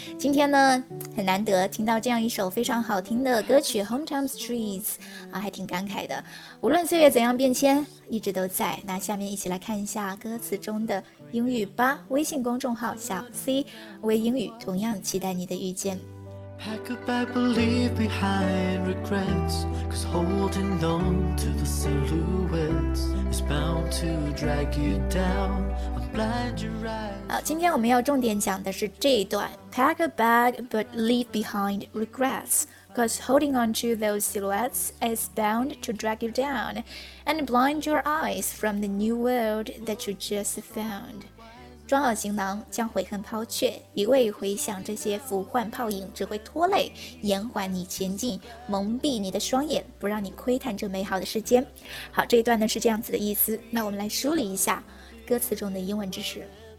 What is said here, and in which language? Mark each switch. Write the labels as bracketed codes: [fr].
[zh] 今天呢很难得听到这样一首非常好听的歌曲 Hometown Streets、啊、还挺感慨的，无论岁月怎样变迁一直都在。那下面一起来看一下歌词中的英语吧。微信公众号小 C 为英语，同样期待你的遇见。 [en] Pack a bag but leave behind regrets, 'cause holding on to the silhouettes is bound to drag you down. I'm blind your eyes. [zh] 好，今天我们要重点讲的是这一段。 [en] Pack a bag but leave behind regrets, 'cause holding on to those silhouettes is bound to drag you down, and blind your eyes from the new world that you just found. [zh] 装好行囊将悔恨抛却，一味回想这些浮幻泡影只会拖累延缓你前进，蒙蔽你的双眼，不让你窥探这美好的世间。好，这一段呢是这样子的意思。那我们来梳理一下歌词中的英文知识。